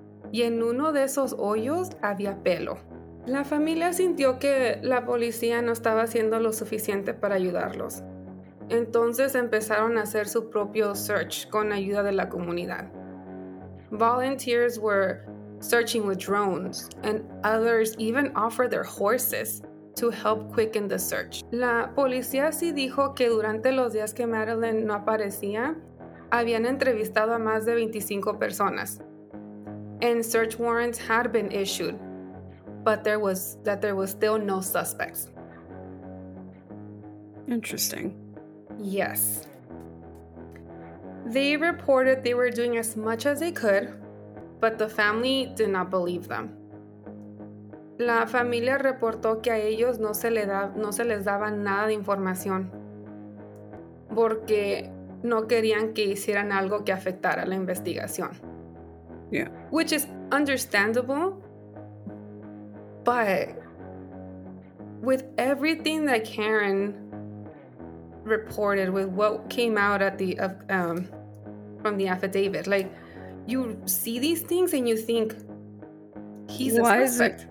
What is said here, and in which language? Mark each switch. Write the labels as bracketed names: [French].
[Spanish] Y en uno de esos hoyos había pelo. La familia sintió que la policía no estaba haciendo lo suficiente para ayudarlos. Entonces empezaron a hacer su propio search con ayuda de la comunidad. [English] Volunteers were searching with drones, and others even offered their horses to help quicken the search. [Spanish] La policía sí dijo que durante los días que Madeline no aparecía, habían entrevistado a más de 25 personas. [English] And search warrants had been issued, but there was still no suspects. Interesting. Yes. They reported they were doing as much as they could, but the family did not believe them. [Spanish] La familia reportó que a ellos no se les daba nada de información porque no querían que hicieran algo que afectara la investigación. [English] Yeah. Which is understandable, but with everything that Karen reported, with what came out at the from the affidavit, like, you see these things and you think, he's a suspect.